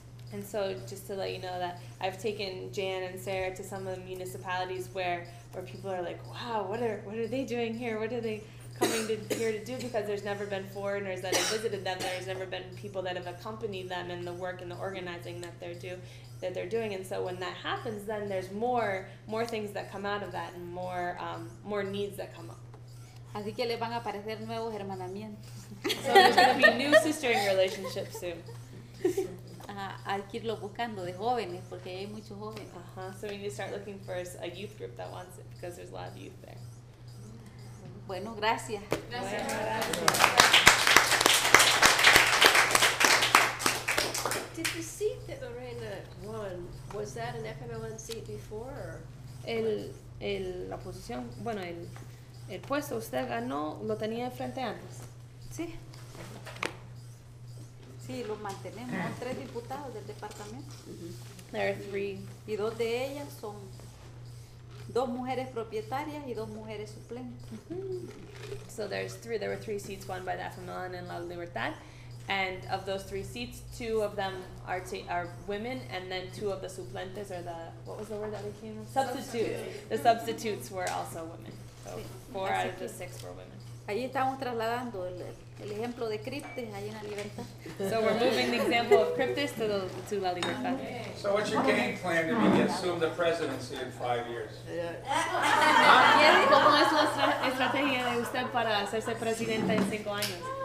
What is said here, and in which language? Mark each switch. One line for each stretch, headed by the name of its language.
English: And so just to let you know that I've taken Jan and Sarah to some of the municipalities where people are like, wow, what are they doing here? What are they coming to here to do, because there's never been foreigners that have visited them, there's never been people that have accompanied them in the work and the organizing that they're doing. And so when that happens, then there's more things that come out of that and more needs that come up.
Spanish: Así que les van a aparecer nuevos hermanamientos.
English: So there's going to be new sistering relationships soon.
Spanish: Hay que irlo buscando de jóvenes porque hay muchos jóvenes.
English: So we need to start looking for a youth group that wants it because there's a lot of youth there.
Spanish: Bueno, gracias.
English: Did the seat that Lorena won, was that an FMLN seat before?
Spanish: La posición, bueno, el puesto usted ganó, lo tenía enfrente antes. Sí. Sí, lo mantenemos. Son tres diputados del departamento.
English: Mm-hmm. There are three.
Spanish: Y dos de ellas son dos mujeres propietarias y dos mujeres suplentes.
English: Mm-hmm. So there's three. There were three seats won by the FMLN and La Libertad, and of those three seats, two of them are women, and then two of the suplentes are the, what was the word that we came with? Substitutes. The substitutes were also women. So
Spanish: sí.
English: Four
Spanish: así
English: out of the six were women.
Spanish: Ahí estamos trasladando el ejemplo de Criptes ahí en La Libertad.
English: So we're moving the example of Criptes to La Libertad. So what's your game plan if you assume the presidency in 5 years?
Spanish: ¿Cómo es la estrategia de usted para hacerse presidenta en 5 años?